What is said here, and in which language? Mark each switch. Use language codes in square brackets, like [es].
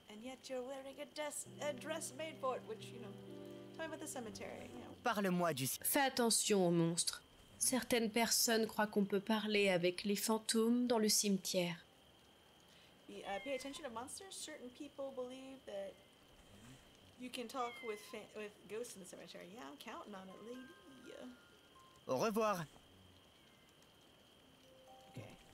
[en] And yet you're wearing a dress made for it, which, you know, talking about the cemetery, you know. [fr] Parle-moi du... Fais attention aux monstres. Certaines personnes croient qu'on peut parler avec les fantômes dans le cimetière. [en] Pay attention to monsters. Certain people believe that you can talk with ghosts in the cemetery. Yeah, I'm counting on it, lady. [fr] Au revoir. [en] Okay.